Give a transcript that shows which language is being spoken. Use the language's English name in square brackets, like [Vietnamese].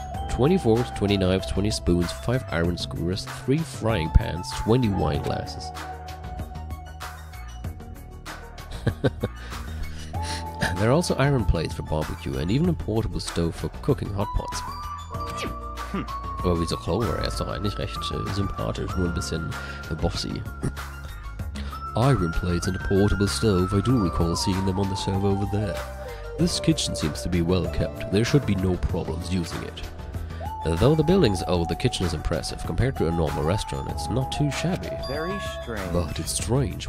[English] 20 forks, 20 knives, 20 spoons, 5 iron skewers, 3 frying pans, 20 wine glasses. There are also iron plates for barbecue and even a portable stove for cooking hot pots. [German] Aber wieso Clover? Er ist doch eigentlich recht sympathisch, nur ein bisschen bossy. [English] Iron plates and a portable stove, I do recall seeing them on the server over there. This kitchen seems to be well kept, there should be no problems using it. Though the building's old, the kitchen is impressive. Compared to a normal restaurant, it's not too shabby. Very strange. But it's strange.